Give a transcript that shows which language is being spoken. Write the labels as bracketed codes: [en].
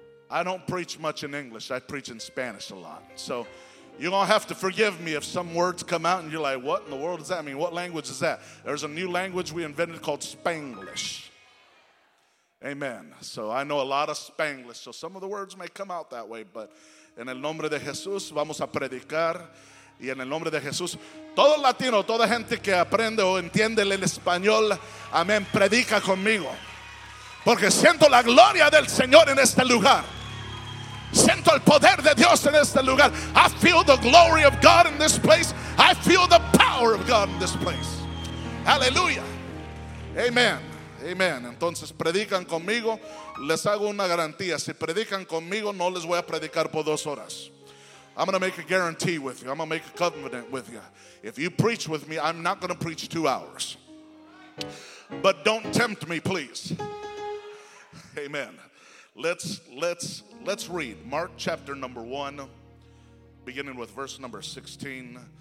[en] I don't preach much in English. I preach in Spanish a lot. So you're going to have to forgive me if some words come out and you're like, what in the world does that mean? What language is that? There's a new language we invented called Spanglish. Amen. So I know a lot of Spanglish. So some of the words may come out that way. [es] But en el nombre de Jesús, vamos a predicar. Y en el nombre de Jesús, todo latino, toda gente que aprende o entiende el español, amén, predica conmigo. Porque siento la gloria del Señor en este lugar. Siento el poder de Dios en este lugar. [en] I feel the glory of God in this place. I feel the power of God in this place. [es] Hallelujah. Amen. Amen. Entonces, predican conmigo. Les hago una garantía. Si predican conmigo, no les voy a predicar por dos horas. [en] I'm going to make a guarantee with you. I'm going to make a covenant with you. If you preach with me, I'm not going to preach 2 hours. But don't tempt me, please. Amen. Let's read Mark chapter number 1, beginning with verse number 16.